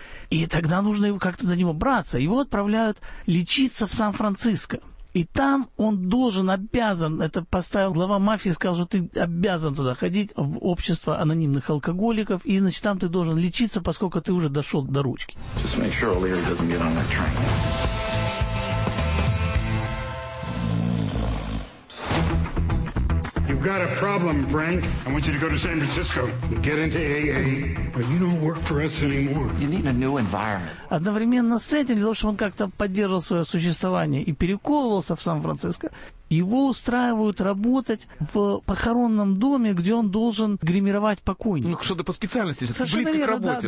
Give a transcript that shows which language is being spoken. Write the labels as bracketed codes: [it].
[ru] И тогда нужно как-то за него браться. Его отправляют лечиться в Сан-Франциско. И там он должен, обязан, это поставил глава мафии, сказал, что ты обязан туда ходить, в общество анонимных алкоголиков, и, значит, там ты должен лечиться, поскольку ты уже дошел до ручки. [en] Just make sure O'Leary doesn't get on that train. You've got a problem, Frank. I want you to go to San Francisco. Get into AA. But you don't work for us anymore. You need a new environment. [ru] Одновременно с этим, для того, чтобы он как-то поддерживал свое существование и перековывался в Сан-Франциско, его устраивают работать в похоронном доме, где он должен гримировать покойников. Ну, что-то по специальности, совершенно близко верно, к работе.